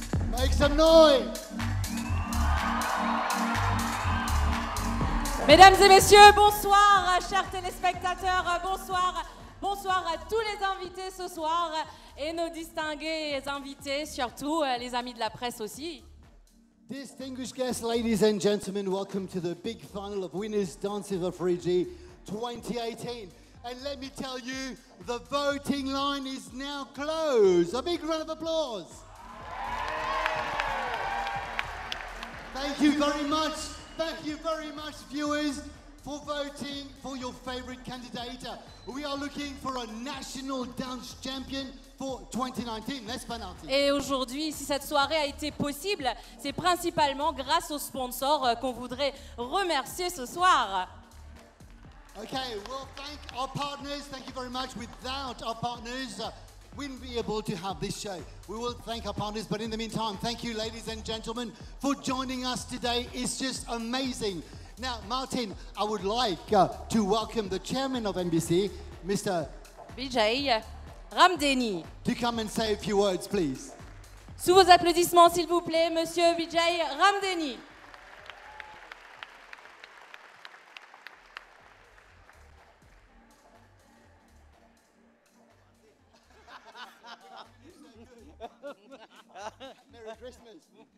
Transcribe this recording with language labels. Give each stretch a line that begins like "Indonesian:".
English: Make some noise!
French: Mesdames et messieurs, bonsoir, chers téléspectateurs, bonsoir. Bonsoir à tous les invités ce soir et nos distingués invités, surtout les amis de la presse aussi.
English: Distinguished guests, ladies and gentlemen, welcome to the big final of Winners Dance of Fiji 2018. And let me tell you, the voting line is now closed. A big round of applause. Thank you very much. Thank you very much, viewers, for voting for your favorite candidate. We are looking for a national dance champion for 2019. Let's find out.
French: Et aujourd'hui, si cette soirée a été possible, c'est principalement grâce aux sponsors qu'on voudrait remercier ce soir.
English: Okay, well, thank our partners. Thank you very much. Without our partners, we wouldn't be able to have this show. We will thank our partners, but in the meantime, thank you, ladies and gentlemen, for joining us today. It's just amazing. Now, Martin, I would like to welcome the chairman of NBC, Mr. Vijay Ramdeni, to come and say a few words, please.
French: Sous vos applaudissements, s'il vous plaît, Monsieur Vijay Ramdeni.
English: Merry Christmas.